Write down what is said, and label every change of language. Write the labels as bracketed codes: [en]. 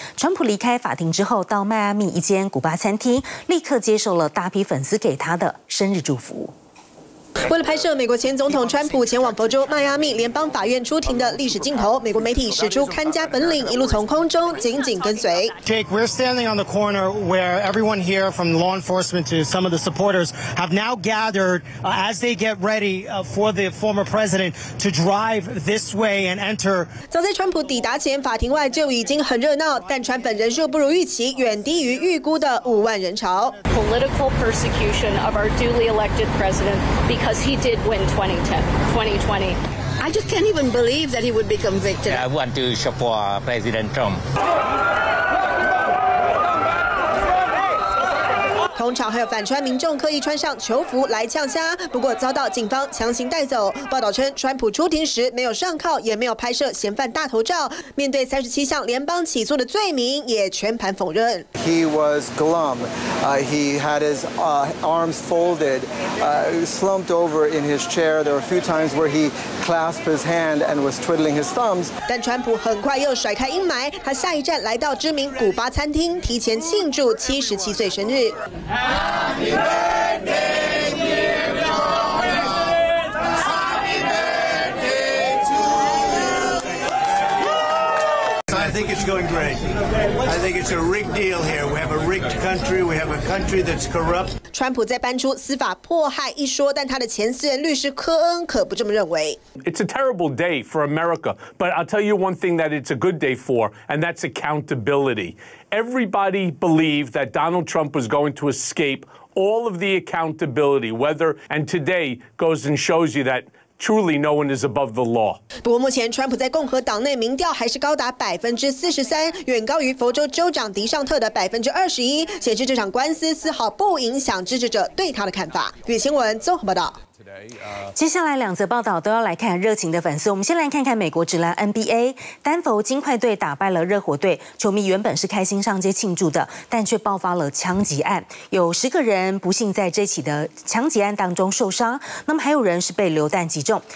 [zh] 川普离开法庭之后，到迈阿密一间古巴餐厅，立刻接受了大批粉丝给他的生日祝福。为了拍摄美国前总统川普前往佛州迈阿密联邦法院出庭的历史镜头，美国媒体使出看家本领，一路从空中紧紧跟随。 [en] Jake, we're standing on the corner where everyone here from law enforcement to some of the supporters have now gathered as they get ready for the former president to drive this way and enter. [zh] 早在川普抵达前，法庭外就已经很热闹，但川粉人数不如预期，远低于预估的50,000人潮。 [en] Political persecution of our duly elected president. Because he did win 2020. I just can't even believe that he would be convicted. I want to support President Trump. [zh] 通常还有反川民众刻意穿上囚服来呛虾，不过遭到警方强行带走。报道称，川普出庭时没有上铐，也没有拍摄嫌犯大头照。面对37项联邦起诉的罪名，也全盘否认。 [en] He was glum. He had his arms folded, slumped over in his chair. There were a few times where he clasped his hand and was twiddling his thumbs. [zh] 但川普很快又甩开阴霾，他下一站来到知名古巴餐厅，提前庆祝77岁生日。 [en] Happy birthday, dear God! Happy birthday to you! So I think think it's going great. I think it's a rigged deal here. We have a rigged country. We have a country that's corrupt. [zh] 川普在搬出司法迫害一说，但他的前私人律师科恩可不这么认为。 [en] It's a terrible day for America, but I'll tell you one thing that it's a good day for, and that's accountability. Everybody believed that Donald Trump was going to escape all of the accountability, whether and today goes and shows you that. Truly, no one is above the law. [zh] 不过，目前川普在共和党内民调还是高达43%，远高于佛州州长迪尚特的21%，显示这场官司丝毫不影响支持者对他的看法。 《远新闻》综合报道。接下来两则报道都要来看热情的粉丝。我们先来看看美国职篮 NBA， 丹佛金块队打败了热火队，球迷原本是开心上街庆祝的，但却爆发了枪击案，有十个人不幸在这起的枪击案当中受伤，那么还有人是被榴弹击中。